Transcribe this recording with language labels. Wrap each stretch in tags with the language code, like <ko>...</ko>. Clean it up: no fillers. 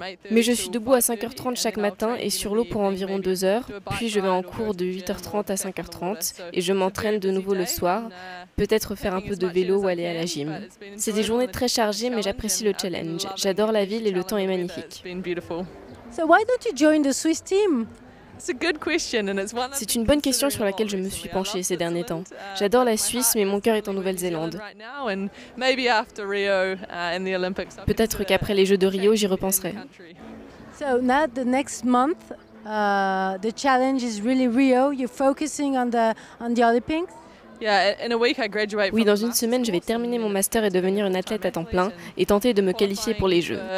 <fr>Mais je suis debout à 5h30 chaque matin et sur l'eau pour environ 2 heures, puis je vais en cours de 8h30 à 5h30 et je m'entraîne de nouveau le soir, peut-être faire un peu de vélo ou aller à la gym. C'est des journées très chargées mais j'apprécie le challenge. J'adore la ville et le temps est magnifique.</fr> <en>So why don't you join the Swiss team?</en> <fr>C'est une bonne question sur laquelle je me suis penchée ces derniers temps. J'adore la Suisse, mais mon cœur est en Nouvelle-Zélande. Peut-être qu'après les Jeux de Rio, j'y repenserai.</fr> <en>So now the next month, the challenge is really Rio. You're focusing on the Olympics.</en> <fr>Oui, dans une semaine, je vais terminer mon master et devenir une athlète à temps plein et tenter de me qualifier pour les Jeux.</fr>